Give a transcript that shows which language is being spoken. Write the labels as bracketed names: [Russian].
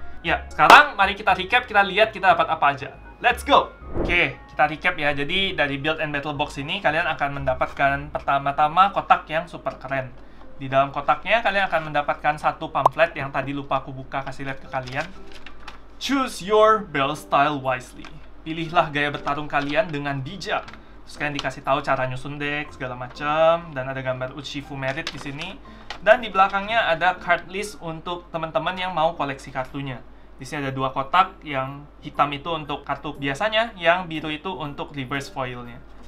[Indonesian] Ya, sekarang mari kita recap, kita lihat kita dapat apa aja. [English] Let's go! [Indonesian] Oke, kita recap ya. Jadi, dari Build and Battle Box ini, kalian akan mendapatkan pertama-tama kotak yang super keren. Di dalam kotaknya, kalian akan mendapatkan satu pamflet yang tadi lupa aku buka, kasih lihat ke kalian. [English] Choose your battle style wisely. [Indonesian] Pilihlah gaya bertarung kalian dengan bijak. Terus kalian dikasih tahu cara nyusun deck, segala macam. Dan ada gambar Uchifu Merit di sini. Dan di belakangnya ada card list untuk teman-teman yang mau koleksi kartunya. Di sini ada 2 kotak, yang hitam itu untuk kartu biasanya, yang biru itu untuk reverse foilnya.